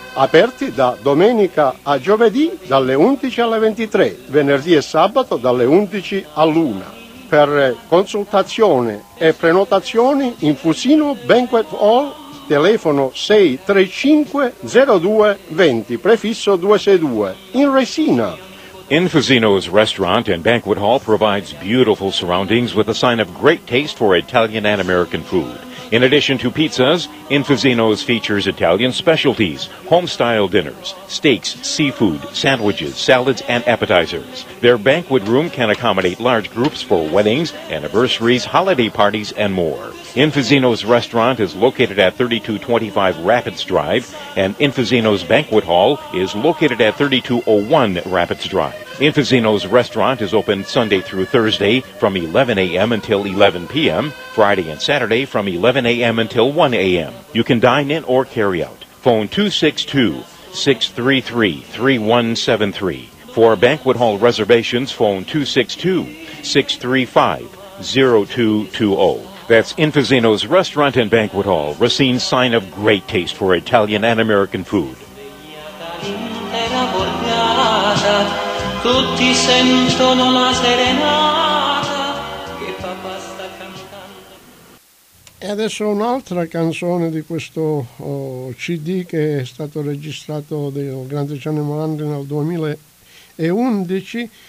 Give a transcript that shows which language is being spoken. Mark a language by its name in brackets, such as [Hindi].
[Italian] Aperti da domenica a giovedì dalle 11 alle 23, venerdì e sabato dalle 11 all'1. Per consultazione e prenotazioni, Infusino Banquet Hall, telefono 635-0220, prefisso 262, in Resina. [English] Infusino's restaurant and banquet hall provides beautiful surroundings with a sign of great taste for Italian and American food. In addition to pizzas, Infusino's features Italian specialties, home-style dinners, steaks, seafood, sandwiches, salads, and appetizers. Their banquet room can accommodate large groups for weddings, anniversaries, holiday parties, and more. Infusino's restaurant is located at 3225 Rapids Drive, and Infusino's banquet hall is located at 3201 Rapids Drive. Infusino's restaurant is open Sunday through Thursday from 11 a.m. until 11 p.m., Friday and Saturday from 11 a.m. until 1 a.m. You can dine in or carry out. Phone 262-633-3173. For banquet hall reservations, phone 262-635-0220. That's Infusino's restaurant and banquet hall, Racine's sign of great taste for Italian and American food. [Italian] Tutti sentono la serenata che papà sta cantando. E adesso un'altra canzone di questo CD che è stato registrato dal grande Gianni Morandi nel 2011.